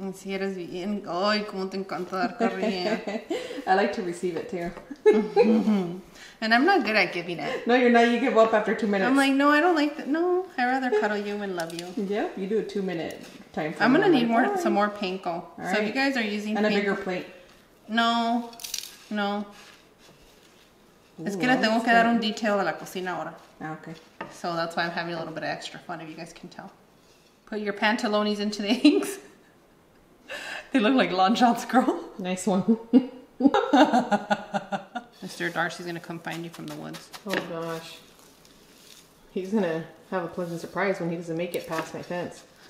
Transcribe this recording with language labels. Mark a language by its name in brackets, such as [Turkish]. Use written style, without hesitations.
[Spanish] Si eres bien. Ay, como te encanta dar carrilla. [English] I like to receive it too. And I'm not good at giving it. No, you're not. You give up after 2 minutes. I'm like, no, I don't like that. No, I rather cuddle you and love you. Yep, you do a 2 minute time frame. I'm going to need some more panko. All right. So if you guys are using panko. And a bigger plate. No. [Spanish] Ooh, es que le tengo que dar un detail a la cocina ahora. [English] Okay. So that's why I'm having a little bit of extra fun, if you guys can tell. Put your pantalones into the inks. They look like long johns, girl. Nice one. Mr. Darcy's gonna come find you from the woods. Oh gosh. He's gonna have a pleasant surprise when he doesn't make it past my fence.